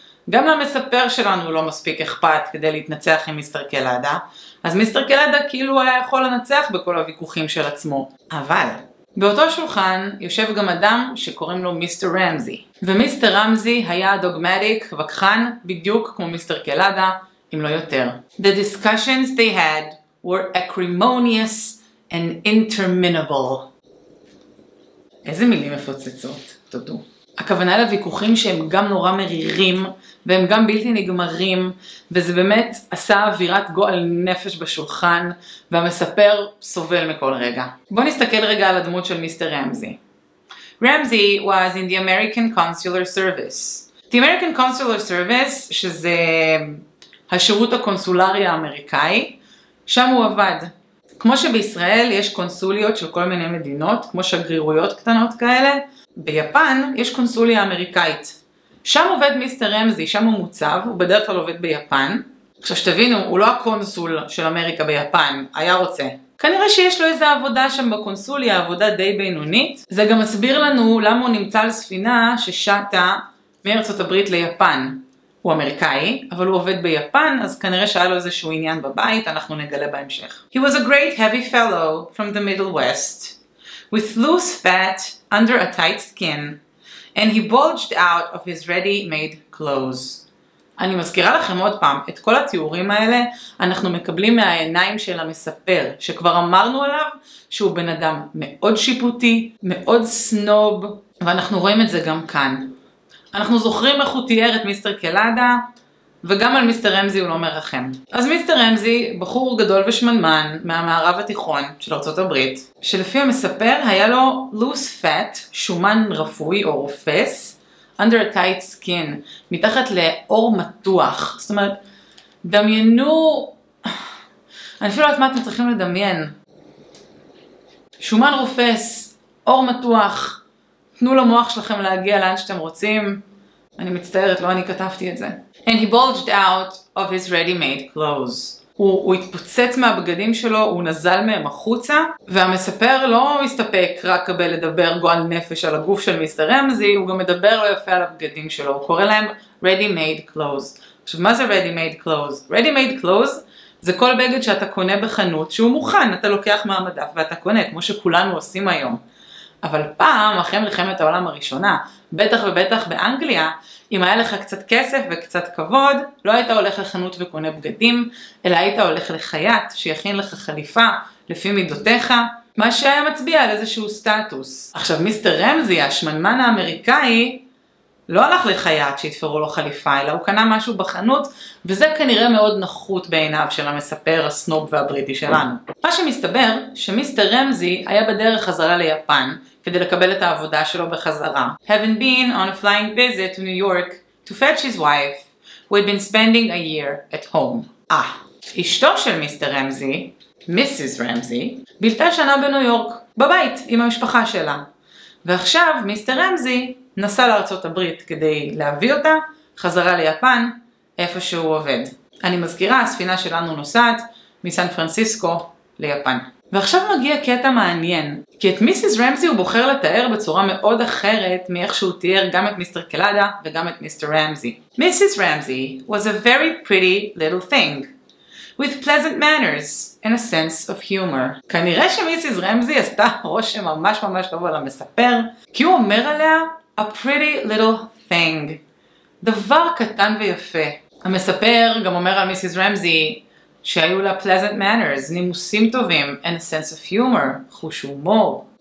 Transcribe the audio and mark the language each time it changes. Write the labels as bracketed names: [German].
[Hebrew] גם למספר שלנו לא מספיק אכפת כדי להתנצח עם מיסטר קלאדה. אז מיסטר קלאדה כאילו היה יכול לנצח בכל הוויכוחים של עצמו. אבל באותו שולחן יושב גם אדם שקוראים לו מיסטר רמזי. ומיסטר רמזי היה דוגמטיק וכחן בדיוק כמו מיסטר קלאדה, אם לא יותר. [English] The discussions they had were acrimonious and interminable. [Hebrew] איזה מילים מפוצצות, תודו. הכוונה לוויכוחים שהם גם נורא מרירים והם גם בלתי נגמרים, וזה באמת עשה אווירת גועל נפש בשולחן, והמספר סובל מכל רגע. בוא נסתכל רגע על הדמות של מיסטר רמזי. רמזי [English] was in the American Consular Service. The American Consular Service, [Hebrew] שזה השירות הקונסולרי האמריקאי, שם הוא עבד. כמו שבישראל יש קונסוליות של כל מיני מדינות, כמו שגרירויות קטנות כאלה, ביפן יש קונסוליה אמריקאית. שם עובד מיסטר רמזי, שם הוא מוצב, הוא בדרך כלל עובד ביפן. עכשיו שתבינו, הוא לא הקונסול של אמריקה ביפן, היה רוצה. כנראה שיש לו איזה עבודה שם בקונסול, היא העבודה די בינונית. זה גם מסביר לנו למה הוא נמצא על ספינה ששטה מארצות הברית ליפן. הוא אמריקאי, אבל הוא עובד ביפן, אז כנראה שהיה לו איזשהו עניין בבית, אנחנו נגלה בהמשך. [English] He was a great heavy fellow from the Middle West, with loose fat under a tight skin, and he bulged out of his ready-made clothes. [Hebrew] אני מזכירה לכם עוד פעם, את כל התיאורים האלה אנחנו מקבלים מהעיניים של המספר, שכבר אמרנו עליו שהוא בן אדם מאוד שיפוטי, מאוד סנוב, ואנחנו רואים את זה גם כאן. אנחנו זוכרים איך הוא תיאר את מיסטר קלאדה, וגם על מיסטר רמזי הוא לא מרחם. אז מיסטר רמזי, בחור גדול ושמנמן מהמערב התיכון של ארצות הברית, שלפי המספר היה לו [English] loose fat, [Hebrew] שומן רפוי או רופס, [English] under a tight skin, [Hebrew] מתחת לאור מתוח. זאת אומרת, דמיינו, אני אפילו לא יודעת מה אתם צריכים לדמיין. שומן רופס, אור מתוח, תנו למוח שלכם להגיע לאן שאתם רוצים. אני מצטערת, לא אני כתבתי את זה. [English] And he bulged out of his ready-made clothes. [Hebrew] הוא התפוצץ מהבגדים שלו, הוא נזל מהם החוצה, והמספר לא מסתפק רק כדי לדבר גועל נפש על הגוף של מיסטר רמזי, הוא גם מדבר לא יפה על הבגדים שלו, הוא קורא להם [English] ready-made clothes. [Hebrew] עכשיו, מה זה [English] ready-made clothes? [Hebrew] ready-made clothes זה כל בגד שאתה קונה בחנות שהוא מוכן, אתה לוקח מהמדף ואתה קונה, כמו שכולנו עושים היום. אבל פעם, אחרי מלחמת העולם הראשונה, בטח ובטח באנגליה, אם היה לך קצת כסף וקצת כבוד, לא היית הולך לחנות וקונה בגדים, אלא היית הולך לחיית שיכין לך חליפה לפי מידותיך, מה שהיה מצביע על איזשהו סטטוס. עכשיו, מיסטר רמזי, השמנמן האמריקאי, לא הלך לחיית שיתפרו לו חליפה, אלא הוא קנה משהו בחנות, וזה כנראה מאוד נחות בעיניו של המספר הסנוב והבריטי שלנו. מה שמסתבר, שמיסטר רמזי היה בדרך חזרה ליפן, כדי לקבל את העבודה שלו בחזרה. [English] Having been on a flying visit to New York to fetch his wife, who had been spending a year at home. [Hebrew] אשתו של מיסטר רמזי, מיסיס רמזי, בילתה שנה בניו יורק, בבית, עם המשפחה שלה. ועכשיו מיסטר רמזי נסע לארצות הברית כדי להביא אותה, חזרה ליפן, איפה שהוא עובד. אני מזכירה, הספינה שלנו נוסעת מסן פרנסיסקו ליפן. ועכשיו מגיע קטע מעניין, כי את מיסיס רמזי הוא בוחר לתאר בצורה מאוד אחרת מאיך שהוא תיאר גם את מיסטר קלאדה וגם את מיסטר רמזי. [English] מיסיס רמזי was a very pretty little thing, with pleasant manners and a sense of humor. [Hebrew] כנראה שמיסיס רמזי עשתה רושם ממש ממש טוב על המספר, כי הוא אומר עליה [English] a pretty little thing, [Hebrew] דבר קטן ויפה. המספר גם אומר על מיסיס רמזי שהיו לה [English] pleasant manners, [Hebrew] נימוסים טובים, [English] and a sense of humor, [Hebrew] חוש הומור.